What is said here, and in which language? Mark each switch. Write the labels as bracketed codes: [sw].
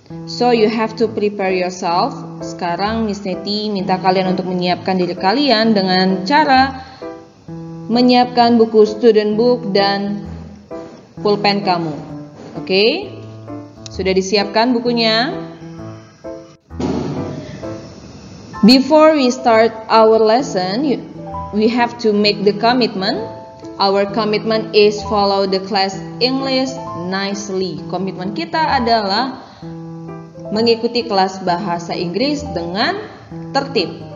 [en] So you have to prepare yourself. [id] Sekarang Miss Neti minta kalian untuk menyiapkan diri kalian dengan cara menyiapkan buku student book dan pulpen kamu. Oke? Sudah disiapkan bukunya? [en] Before we start our lesson, we have to make the commitment. Our commitment is follow the class English nicely. [id] Komitmen kita adalah mengikuti kelas bahasa Inggris dengan tertib.